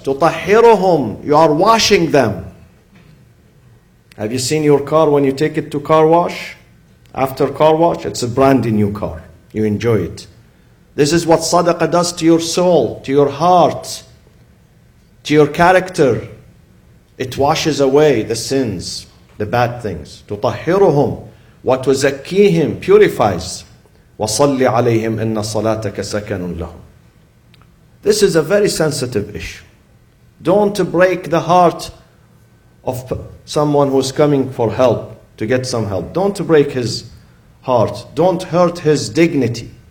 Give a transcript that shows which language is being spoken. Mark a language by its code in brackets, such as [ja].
[ar] تُطَهِّرُهُمْ, [en] you are washing them. Have you seen your car when you take it to car wash? After car wash, it's a brand new car. You enjoy it. This is what sadaqah does to your soul, to your heart, to your character. It washes away the sins, the bad things. [ar] تُطَهِّرُهُمْ وَتُزَكِّيهِمْ, [en] purifies. [ar] وَصَلِّ عَلَيْهِمْ إِنَّ صَلَاتَكَ سَكَنٌ لَهُمْ. [en] This is a very sensitive issue. Don't break the heart of someone who's coming for help, to get some help. Don't break his heart. Don't hurt his dignity.